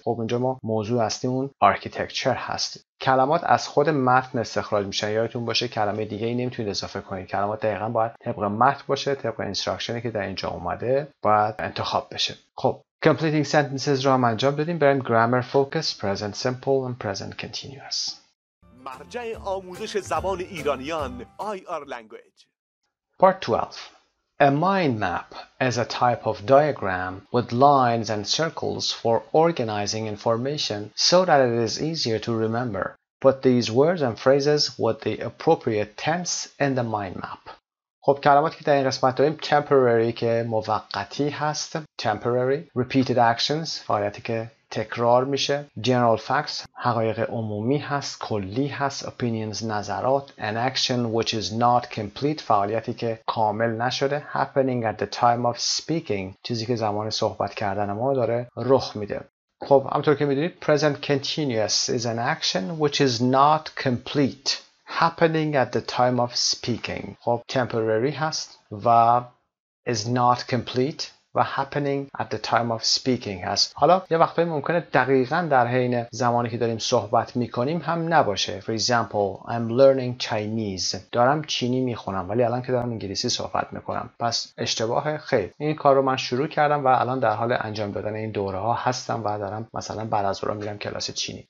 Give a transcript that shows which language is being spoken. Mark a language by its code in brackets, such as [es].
[fa] خب اونجا ما موضوع اصلیمون architecture هست. کلمات از خود متن استخراج میشن، یادتون باشه کلمه دیگه ای نمیتونید اضافه کنید، کلمات دقیقا باید طبق متن باشه، طبق instructionی که در اینجا اومده باید انتخاب بشه. [en] خب completing sentences [fa] رو هم انجام دادیم، بریم [en] grammar focus present simple and present continuous. [fa] مرجع آموزش زبان ایرانیان IR language. [en] Part 12. A mind map is a type of diagram with lines and circles for organizing information so that it is easier to remember. Put these words and phrases with the appropriate tense in the mind map. [fa] خب کلماتی که در این قسمت داریم temporary که موقتی هست، temporary، [en] repeated actions، [fa] فعالیتی که تکرار میشه، [en] general facts، [fa] حقایق عمومی هست، کلی هست، opinions، نظرات، [en] an action which is not complete، [fa] فعالیتی که کامل نشده، [en] happening at the time of speaking، [fa] چیزی که زمان صحبت کردن ما داره رخ میده. خب همونطور که میدونید [en] present continuous is an action which is not complete، happening at the time of speaking. خب temporary هست و is not complete و happening at the time of speaking هست. [fa] حالا یه وقتایی ممکنه دقیقاً در حین زمانی که داریم صحبت میکنیم هم نباشه. [en] For example, I'm learning Chinese. [fa] دارم چینی میخونم ولی الان که دارم انگلیسی صحبت میکنم. پس اشتباه خیر. این کار رو من شروع کردم و الان در حال انجام دادن این دوره ها هستم و دارم مثلا بعد از اونم میرم کلاس چینی.